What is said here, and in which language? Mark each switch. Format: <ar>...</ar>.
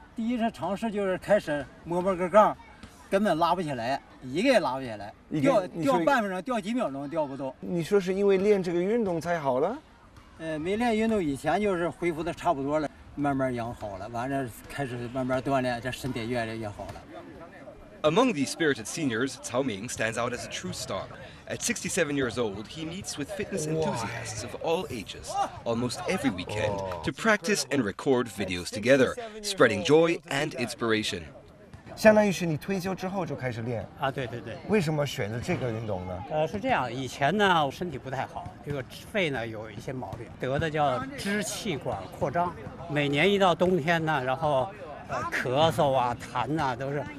<zh>第一次尝试就是开始摸摸个杠，根本拉不起来，一个也拉不起来，掉半分钟，掉几秒钟掉不动。你说是因为练这个运动才好了？没练运动以前就是恢复的差不多了，慢慢养好了，完了开始慢慢锻炼，这身体越来越好了。</zh> <en>Among the spirited seniors, Cao Ming stands out as a true star. At 67 years old, he meets with fitness enthusiasts of all ages almost every weekend to practice and record videos together, spreading joy and inspiration.</en> <zh>相当于是你退休之后就开始练啊？对对对。为什么选择这个运动呢？是这样，以前呢我身体不太好，这个肺呢有一些毛病，得的叫支气管扩张，每年一到冬天呢，然后咳嗽啊、痰啊都是。</zh>